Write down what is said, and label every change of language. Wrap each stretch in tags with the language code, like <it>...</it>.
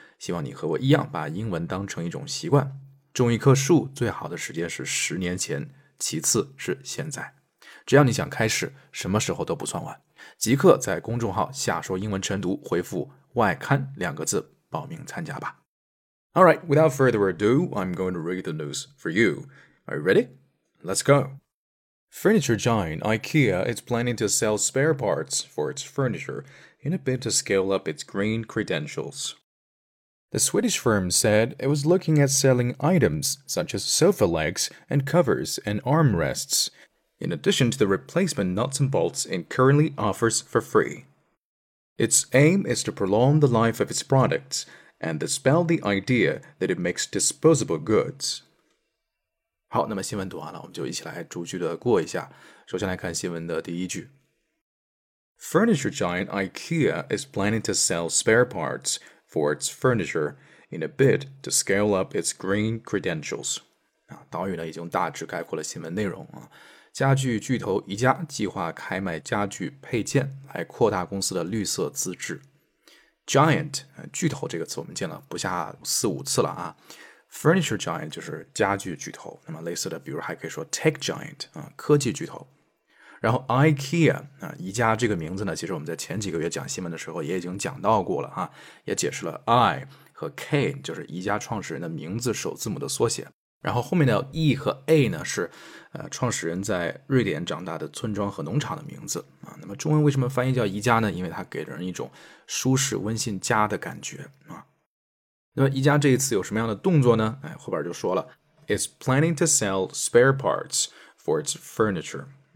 <zh>希望你和我一样把英文当成一种习惯。种一棵树最好的时间是十年前，其次是现在。只要你想开始，什么时候都不算晚。即刻在公众号下说英文晨读回复外刊两个字报名参加吧。</zh> <en>Alright, without further ado, I'm going to read the news for you. Are you ready? Let's go. Furniture giant IKEA is planning to sell spare parts for its furniture in a bid to scale up its green credentials. The Swedish firm said it was looking at selling items such as sofa legs and covers and armrests, in addition to the replacement nuts and bolts it currently offers for free. Its aim is to prolong the life of its products and dispel the idea that it makes disposable goods.</en> <zh>好，那么新闻读完了，我们就一起来逐句的过一下。首先来看新闻的第一句。</zh> <en>Furniture giant IKEA is planning to sell spare parts for its furniture in a bid to scale up its green credentials.</en> <zh>导语呢已经大致概括了新闻内容啊。家具巨头宜家计划开卖家具配件来扩大公司的绿色资质。 Giant, 巨头这个词我们见了不下四五次了啊。 Furniture giant 就是家具巨头，那么类似的比如还可以说 tech giant, 科技巨头。然后 IKEA, 宜家这个名字呢其实我们在前几个月讲新闻的时候也已经讲到过了啊，也解释了 I 和 K, 就是宜家创始人的名字首字母的缩写。然后后面的 E 和 A 呢是创始人在瑞典长大的村庄和农场的名字啊。那么中文为什么翻译叫宜家呢？因为它给人一种舒适温馨家的感觉啊。那么宜家这一次有什么样的动作呢？哎，后边就说了</zh> <en>It's planning to sell spare parts for its furniture、</en>